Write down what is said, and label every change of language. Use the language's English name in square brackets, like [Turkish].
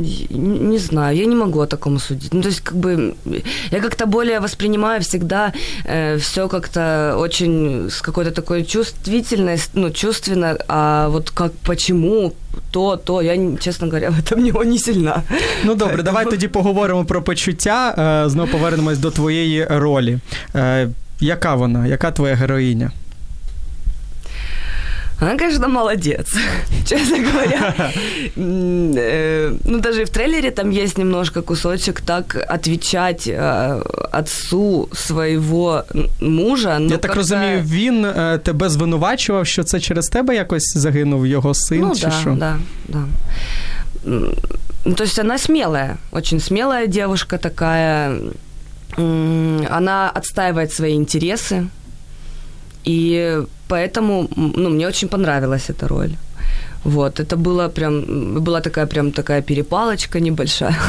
[Russian] Не знаю, я не могу о таком судить. Ну, то есть, как бы, я как-то более воспринимаю всегда все как-то очень с какой-то такой чувствительностью, ну, чувственно, а вот как, почему, то, я, честно говоря, в этом не сильна. [Ukrainian] Ну, добре, давай тоді поговоримо про почуття, знову повернемось до твоєї ролі. Яка вона, яка твоя героїня? [Russian] Она, конечно, молодец, честно говоря. Ну, даже в трейлере там есть немножко кусочек так отвечать отцу своего мужа. [Ukrainian] Я так розумію, він тебе звинувачував, що це через тебе якось загинув його син, чи що? [Russian] Ну, да. Ну, то есть она смелая, очень смелая девушка такая. Она отстаивает свои интересы. И поэтому, ну, мне очень понравилась эта роль. Вот, это было прям, была такая прям такая перепалочка небольшая.